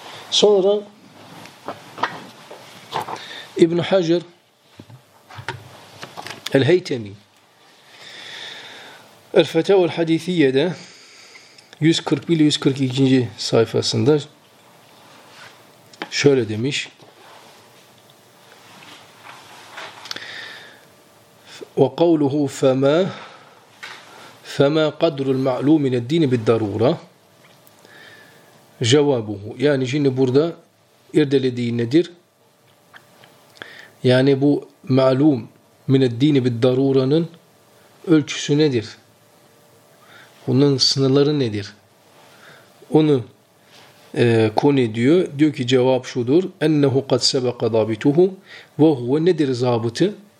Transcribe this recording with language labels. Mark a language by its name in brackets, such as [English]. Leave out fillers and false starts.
[Turkish] Sonra İbn Hacer El-Heytemi El-Fetavul Hadithiyye'de 141-142. Sayfasında şöyle demiş. [Arabic] وقوله فما قدر المعلوم من الدين بالضرورة جوابه [Turkish] yani şimdi burada irdelediği nedir? Yani bu malum min eddini biddarura'nın ölçüsü nedir? Bunun sınırları nedir? Onu konu diyor. Diyor ki cevap şudur. [Arabic] Ennehu kad sebeqa zabituhu [Turkish] ve huve nedir zabıtı?